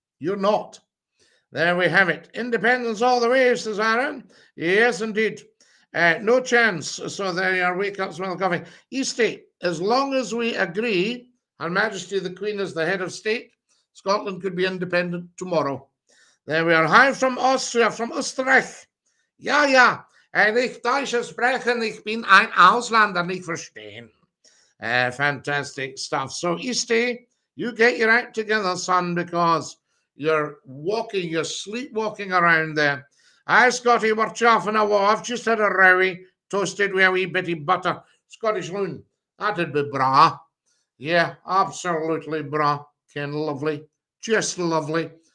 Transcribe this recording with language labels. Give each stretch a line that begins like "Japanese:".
English: You're not. There we have it. Independence all the way, says Aaron. Yes, indeed. No chance. So there you are. Wake up, smell the coffee. Eastie, as long as we agree, Her Majesty the Queen is the head of state, Scotland could be independent tomorrow. There we are. Hi from Austria, from Österreich.
German: Ja, ja. Ich Deutsche sprechen, ich bin ein Ausländer, nicht verstehen.
English: Fantastic stuff. So, Eastie, you get your act together, son, because you're walking, you're sleepwalking around there. Hi, Scotty, we're chaffing a war. I've just had a rowie toasted with a wee bitty butter. Scottish loon, that'd be bra. Yeah, absolutely bra. Ken, lovely. Just lovely.